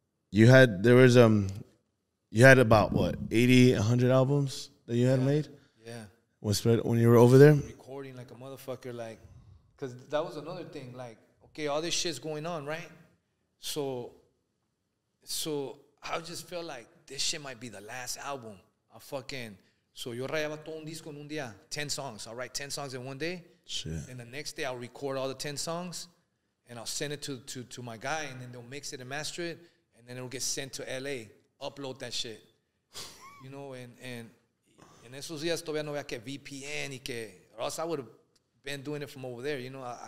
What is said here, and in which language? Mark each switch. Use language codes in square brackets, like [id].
[en] You had about what, 80, 100 albums that you had made? Yeah. When you were over there? Recording like a motherfucker, like, because that was another thing, like, okay, all this shit's going on, right? So I just feel like, this shit might be the last album. [es] Yo rayaba todo un disco en un día. [en] 10 songs. I'll write 10 songs in one day. Shit. And the next day, I'll record all the 10 songs. And I'll send it to my guy. And then they'll mix it and master it. And then it'll get sent to L.A. Upload that shit. You know, and [es] en esos días todavía no había que VPN y que... [en] Or else I would have been doing it from over there, you know.